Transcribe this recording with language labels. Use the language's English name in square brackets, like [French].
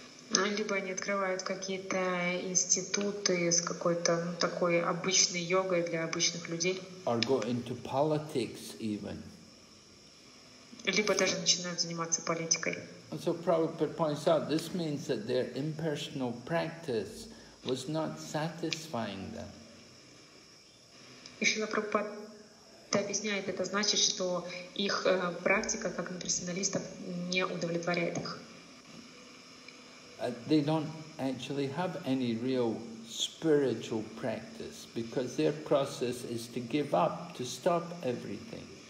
[Russian] Либо они открывают какие-то институты с какой-то такой обычной йогой для обычных людей. [English] Or go into politics even. [Russian] либо даже начинают заниматься политикой. [English] And so Prabhupada points out, this means that their impersonal practice was not satisfying them. [Russian] И Шрила Прабхупада объясняет, это значит, что их практика как имперсоналистов не удовлетворяет их. [English] They don't actually have any real spiritual practice because their process is to give up, to stop everything.